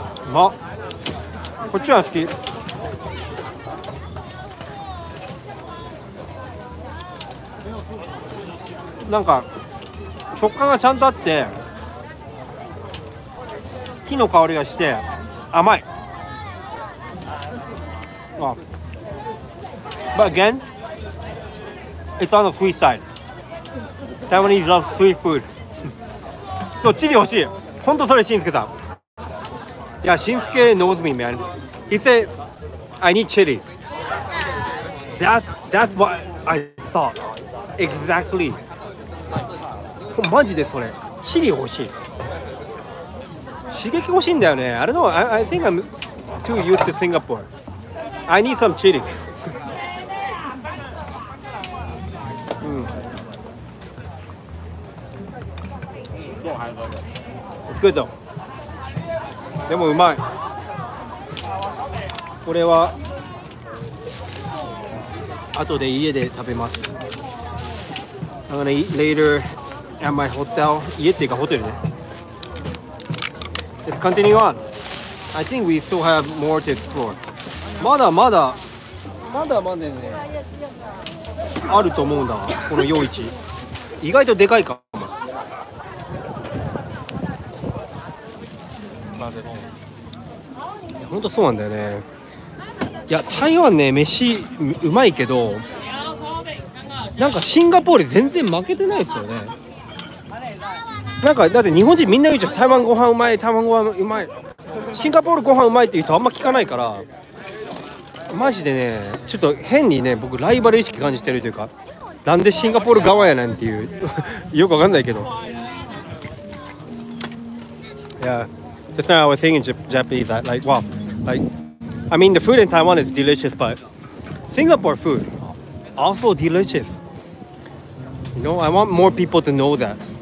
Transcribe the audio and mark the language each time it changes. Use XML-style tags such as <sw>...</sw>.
<ja>うまっ。こっちは好き。なんか、食感がちゃんとあって、木の香りがして甘い。</ja> <en>あ、But again, it's on the sweet side. Taiwanese love sweet food.</en> <ja>そう、チリ欲しい。本当それ、シンスケさん。いや、</ja> <en>シンスケ knows me, man. He said, I need chili. That's what I thought. Exactly.</en> <ja>マジでそれ。チリ欲しい。刺激欲しいんだよね。あれの、</ja> <en>I think I'm too used to Singapore. I need some chili. 、うん、It's good though.</en> <ja>でもうまい。これは後で家で食べます。</ja> <en>I'm gonna eat later at my hotel.</en> <ja>家っていうかホテルね。</ja> <en>Let's continue on. I think we still have more to explore.</en> <ja>まだまだまだまだね。あると思うんだ。この夜市意外とでかいか。まあでも本当そうなんだよね。いや台湾ね飯うまいけど、なんかシンガポール全然負けてないですよね。なんかだって日本人みんな言うじゃん、台湾ご飯うまい、台湾ご飯うまい、シンガポールご飯うまいっていう人あんま聞かないから、マジでねちょっと変にね僕ライバル意識感じてるというか、なんでシンガポール側やねんっていう。よくわかんないけど。</ja> <en>Yeah, just now I was saying in Japanese that like, wow, like, I mean the food in Taiwan is delicious, but Singapore food also delicious. You know, I want more people to know that.</en>